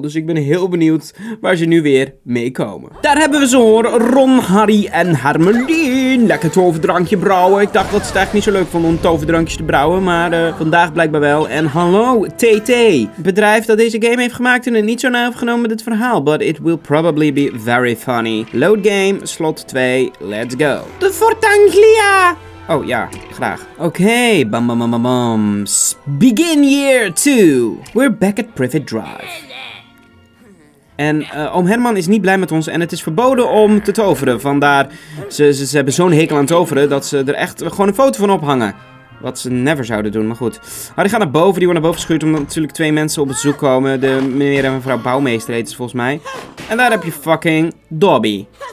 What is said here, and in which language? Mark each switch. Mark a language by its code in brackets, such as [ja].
[nl] Dus ik ben heel benieuwd waar ze nu weer mee komen. Daar hebben we ze hoor. Ron, Harry en Hermione. Lekker toverdrankje brouwen. Ik dacht dat ze het eigenlijk niet zo leuk vonden om toverdrankjes te brouwen. Maar vandaag blijkbaar wel. En hallo, TT. Bedrijf dat deze game heeft gemaakt en het niet zo nauw heeft genomen met het verhaal. [en] But it will probably be very funny. Load game, slot 2. Let's go. [nl] De Fort Anglia. Oh ja, graag. Oké, bam bam bam bam bam. [en] Begin year 2. We're back at Privet Drive. [nl] En oom Herman is niet blij met ons en het is verboden om te toveren. Vandaar, ze hebben zo'n hekel aan toveren dat ze er echt gewoon een foto van ophangen. Wat ze never zouden doen, maar goed. Harry gaat naar boven, die wordt naar boven geschuurd omdat natuurlijk twee mensen op bezoek komen. De meneer en mevrouw Bouwmeester heet ze volgens mij. En daar heb je fucking Dobby.